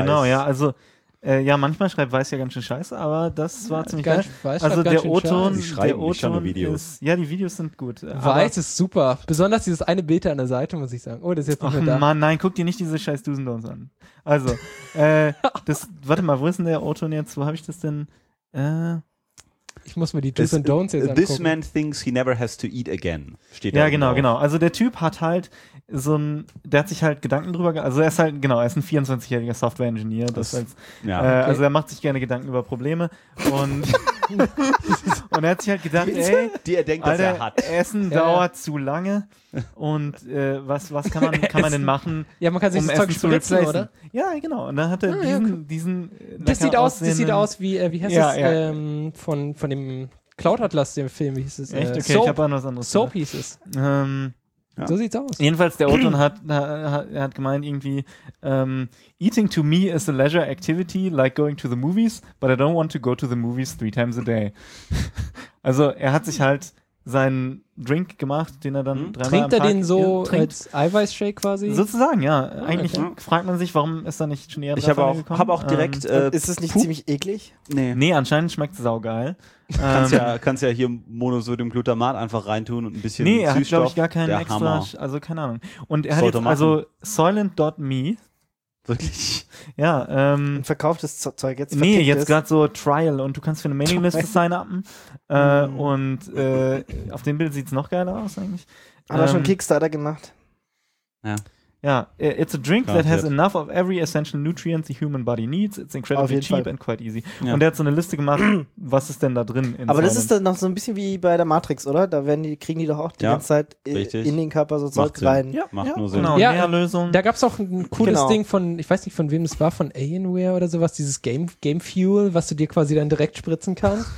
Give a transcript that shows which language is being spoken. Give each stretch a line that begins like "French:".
German: Genau, ja, also ja, manchmal schreibt Weiß ja ganz schön scheiße, aber das war ziemlich geil. Also ganz der schön O-Ton, Sie schreiben, der O-Ton nicht schon nur Videos. Ist, ja, die Videos sind gut. Weiß ist super. Besonders dieses eine Bild an der Seite, muss ich sagen. Oh, das ist jetzt nicht mehr da. Mann, nein, guck dir nicht diese scheiß Dusendons an. Also, das, warte mal, wo ist denn der O-Ton jetzt? Wo habe ich das denn? Ich muss mir die Do's and Don'ts jetzt angucken.
English: This man thinks he never has to eat again, steht
German: da. Ja, genau, genau. Also der Typ hat halt so ein, der hat sich halt Gedanken drüber, also er ist halt, genau, er ist ein 24-jähriger Software-Engineer. Das als, ja. Okay. Also er macht sich gerne Gedanken über Probleme und und er hat sich halt gedacht, ey, die er denkt, Alter, dass er hat. Essen dauert zu lange und was kann man denn machen? Ja, man kann sich um das Zeug Essen spritzen, zu oder? Ja, genau. Und dann hat er diesen Das sieht aus wie wie heißt es? Von dem Cloud Atlas, dem Film, wie hieß es? Echt? Okay, Soap. Ich habe was anderes. Soap hieß es. Ja. So sieht's aus. Jedenfalls, der O-Ton hat gemeint irgendwie,
English: eating to me is a leisure activity like going to the movies, but I don't want to go to the movies 3 times a day.
German: Also, er hat sich halt seinen Drink gemacht, den er dann dreimal trinkt trinkt. Er den so trinkt. Als Eiweißshake quasi? Sozusagen, ja. Eigentlich fragt man sich, warum ist da nicht schon eher drauf gekommen. Ich habe auch direkt... ist das nicht ziemlich eklig? Nee, anscheinend schmeckt es saugeil. kannst ja hier Monosodiumglutamat einfach reintun und ein bisschen Süßstoff. Nee, er hat, glaube ich, gar keinen extra... Hammer. Also, keine Ahnung. Und er hat jetzt, also, Soylent.me... Wirklich? Ja, Und verkauft das Zeug jetzt? Nee, jetzt gerade so Trial und du kannst für eine Mailingliste sign-upen. Und auf dem Bild sieht es noch geiler aus eigentlich. Hat er schon Kickstarter gemacht? Ja.
English: Ja, it's a drink that has enough of every essential nutrient the human body needs. It's incredibly cheap and quite easy. Ja.
German: Und der hat so eine Liste gemacht, was ist denn da drin? Aber das ist dann noch so ein bisschen wie bei der Matrix, oder? Da werden die, kriegen die doch auch die ganze Zeit in den Körper so Zeug rein. Ja, macht nur Sinn. Genau, ja, Nährlösung. Da gab es auch ein cooles Ding von, ich weiß nicht von wem es war, von Alienware oder sowas, dieses Game Fuel, was du dir quasi dann direkt spritzen kannst.